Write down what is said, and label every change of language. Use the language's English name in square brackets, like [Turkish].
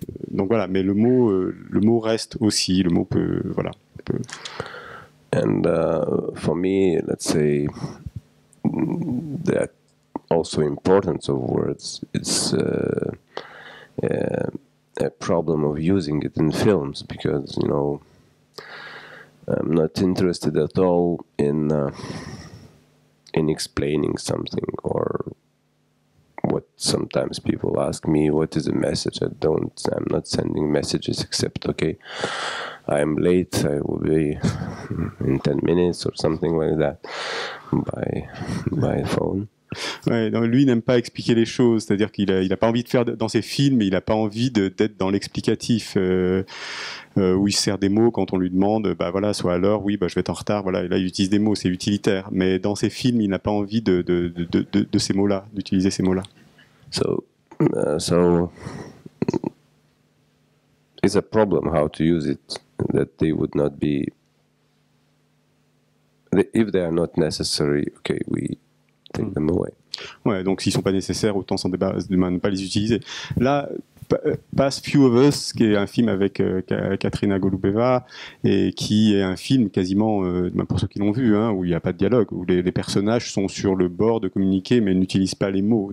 [French] Donc voilà, mais le mot reste aussi, le mot peut, voilà. Peut. [English] And for me, let's say that also importance of words, it's a problem of using it in films, because, you know, I'm not interested at all in explaining something, or what sometimes people ask me, what is a message? I'm not sending messages except, okay, I'm late, I will be in 10 minutes or something like that by phone. [French] Ouais, non, lui n'aime pas expliquer les choses, c'est-à-dire qu'il a pas envie de faire dans ses films, il a pas envie d'être dans l'explicatif où il sert des mots quand on lui demande, bah voilà, soit à l'heure, oui, bah je vais être en retard, voilà, et là il utilise des mots, c'est utilitaire, mais dans ses films il n'a pas envie de ces mots-là, d'utiliser ces mots-là. [English] So it's a problem how to use it, that they would not be, if they are not necessary, okay, we take them away. [French] Ouais, donc s'ils ne sont pas nécessaires, autant s'en débarrasser, ne pas les utiliser. Là, Pass Few of Us, qui est un film avec Katrina Golubeva, et qui est un film quasiment, pour ceux qui l'ont vu, hein, où il n'y a pas de dialogue, où les personnages sont sur le bord de communiquer, mais n'utilisent pas les mots.